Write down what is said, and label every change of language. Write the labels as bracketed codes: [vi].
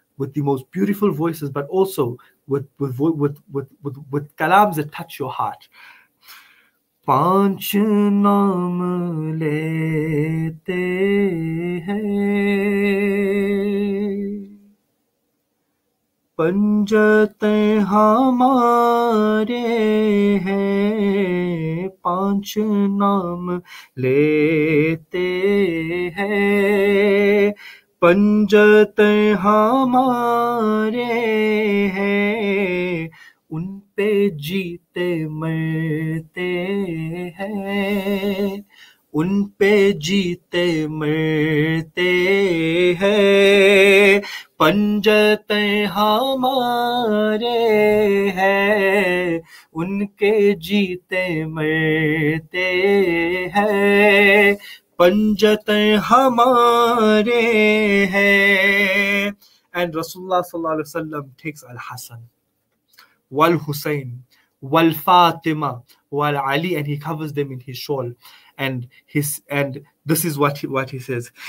[en] with the most beautiful voices but also with kalams that touch your heart [hi] panch naam lete hai पंजत हमारे हैं पांच नाम लेते हैं पंजत हमारे हैं उन पे जीते मरते हैं उन पे जीते मरते हैं पंजत हमारे हैं उनके जीते मरते हैं पंजत हमारे हैं. [en] And Rasulullah sallallahu alaihi wasallam takes Al Hasan, Wal Hussein, Wal Fatima, Wal Ali, and he covers them in his shawl. And his and this is what he says.